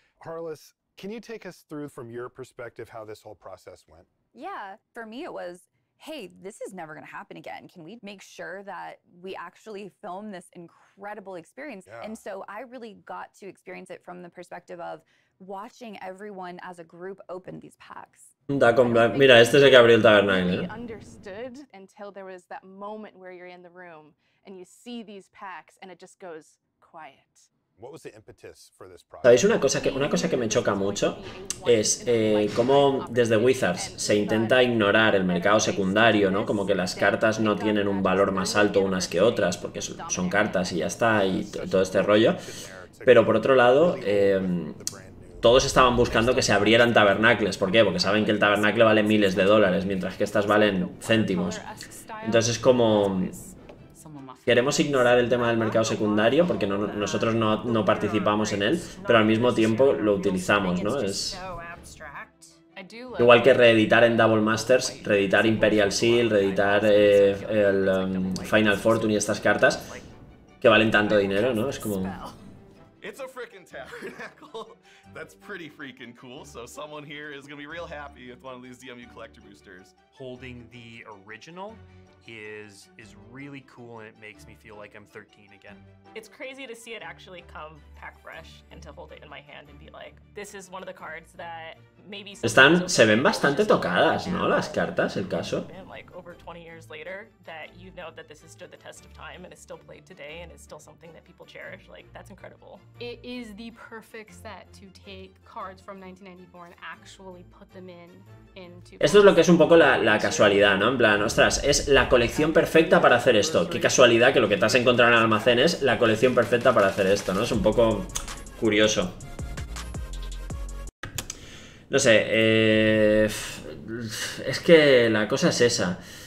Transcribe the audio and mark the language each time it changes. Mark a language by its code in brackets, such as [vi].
[en] Harless, can you take us through from your perspective how this whole process went? Yeah, for me it was, hey, this is never going to happen again. Can we make sure that we actually film this incredible experience? Yeah. And so I really got to experience it from the perspective of watching everyone as a group open these packs. [es] Mira, este es el que abrió el Tabernáculo. [en] We understood until there was that moment where you're in the room and you see these packs and it just goes quiet. What was the impetus for this [es] project? ¿Sabéis una cosa que me choca mucho? Es cómo desde Wizards se intenta ignorar el mercado secundario, ¿no? Como que las cartas no tienen un valor más alto unas que otras porque son cartas y ya está y todo este rollo. Pero por otro lado, todos estaban buscando que se abrieran tabernacles. ¿Por qué? Porque saben que el tabernacle vale miles de dólares, mientras que estas valen céntimos. Entonces, como queremos ignorar el tema del mercado secundario, porque nosotros no participamos en él, pero al mismo tiempo lo utilizamos, ¿no? Es igual que reeditar en Double Masters, reeditar Imperial Seal, reeditar el Final Fortune y estas cartas, que valen tanto dinero, ¿no? Es como... [en] It's a freaking tabernacle. That's pretty freaking cool. So someone here is gonna be real happy with one of these DMU collector boosters. Holding the original is really cool, and it makes me feel like I'm 13 again. It's crazy to see it actually come pack fresh and to hold it in my hand and be like, this is one of the cards that maybe. [es] Están, se ven bastante tocadas, ¿no? Las cartas, el caso. [en] Like over 20 years later, that you know that this has stood the test of time and is still played today and is still something that people cherish. Like that's incredible. It is the perfect set to take cards from 1994 and actually put them in into. [es] Esto es lo que es un poco la casualidad, ¿no? En plan, ostras, es la colección perfecta para hacer esto. Qué casualidad que lo que te has encontrado en el almacén es la colección perfecta para hacer esto, ¿no? Es un poco curioso. No sé, es que la cosa es esa.